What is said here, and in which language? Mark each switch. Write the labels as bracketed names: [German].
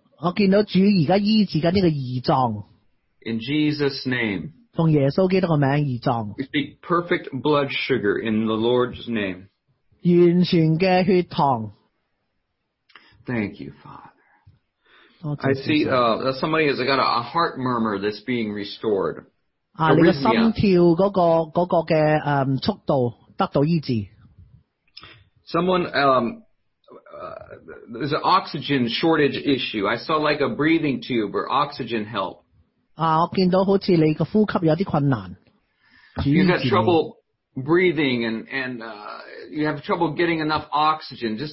[Cantonese] 我見到主而家醫治緊呢個胰臟。 [English] In Jesus' name. [Cantonese] 奉耶穌基督嘅名，胰臟。 [English] We speak perfect blood sugar in the Lord's name. [Cantonese] 完全嘅血糖。 [English] Thank you, Father. I see somebody has got a heart murmur that's being restored. [Cantonese] 你嘅心跳嗰個速度得到醫治。 [English] Someone there's an oxygen shortage issue. I saw like a breathing tube or oxygen help. [Cantonese] 我見到好似你個呼吸有啲困難。 [English] You have trouble breathing and you have trouble getting enough oxygen.